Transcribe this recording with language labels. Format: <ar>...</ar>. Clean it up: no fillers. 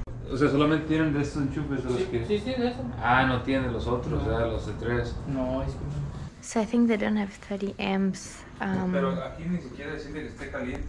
<es>O sea, solamente tienen de estos enchufes de los que... Sí, sí, de eso. Ah, no tienen de los otros, ya, los de tres. No, es</es> <en>que... So I think they don't have 30 amps.</en> <es>Pero aquí ni siquiera decirle que esté caliente,</es>